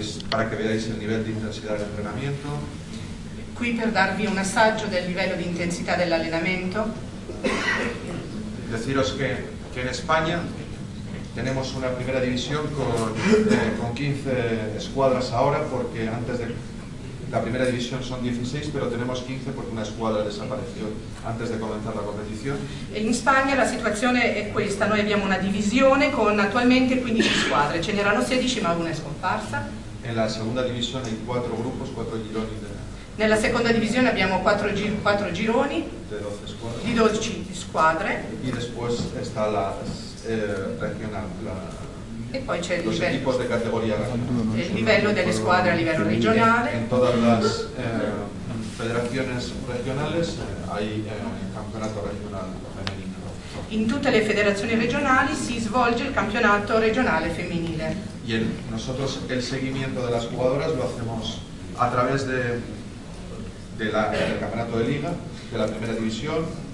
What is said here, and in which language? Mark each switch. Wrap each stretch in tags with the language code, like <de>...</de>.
<es>Para que veáis el nivel de intensidad del entrenamiento.</es> <it>Qui per darvi un assaggio del livello di intensità dell'allenamento.</it> <es>Deciros que en España tenemos una primera división con 15 escuadras ahora, porque antes de la primera división son 16, pero tenemos 15 porque una escuadra desapareció antes de comenzar la competición.</es> <it>In Spagna la situazione è questa, noi abbiamo una divisione con attualmente 15 squadre, ce n'erano 16 ma una è scomparsa.</it> <es>En la segunda división hay cuatro grupos, cuatro gironi.</es> <it>Nella seconda divisione abbiamo quattro gironi di 12 squadre.</it> <es>Y después está la regional.</es> <it>E poi c'è</it> <es>los equipos de categoría.</es> <it>El livello delle squadre a livello regionale.</it> <es>En todas las federaciones regionales hay campeonato regional femminile.</es> <it>In tutte le federazioni regionali si svolge il campionato regionale femminile.</it> <es>Y nosotros el seguimiento de las jugadoras lo hacemos a través del campeonato de liga, de la primera división.</es>